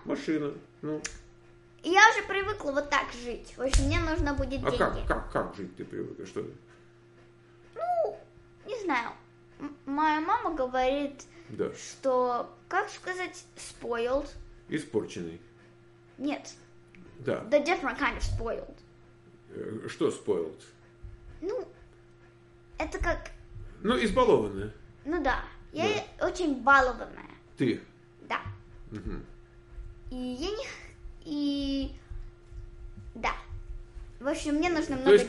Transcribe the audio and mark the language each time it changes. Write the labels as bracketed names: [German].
[Russian] Машина. Ну. Я уже привыкла вот так жить. В общем, мне нужно будет деньги. А как жить ты привыкла? Что? Ну, не знаю. Моя мама говорит, да. Что, как сказать, spoiled. Испорченный. Нет. Да. [English] The different kind of spoiled. [Russian] Что spoiled? Ну, это как... Ну, избалованная. Ну да. Я да. Очень балованная. Ты? Да. Угу. И я не... И... Да. В общем, мне нужно много денег.